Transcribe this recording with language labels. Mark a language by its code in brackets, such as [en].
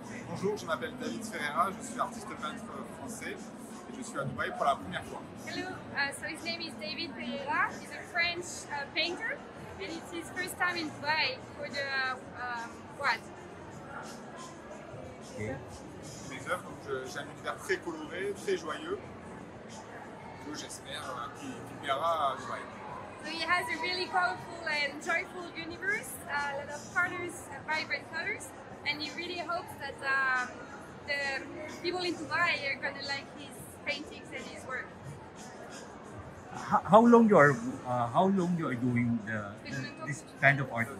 [fr] Bonjour, je m'appelle David Ferreira, je suis artiste peintre français. [en] Hello, so his name is David Pereira, he's a French painter, and it's his first time in Dubai for the GRIET. [fr] Mes œuvres, j'aime l'univers très coloré, très joyeux, donc j'espère qu'il verra Dubai. [en] So he has a really colorful and joyful universe, a lot of colors, vibrant colors, and he really hopes that the people in Dubai are going to like his paintings and his work. How long you are doing this kind of art?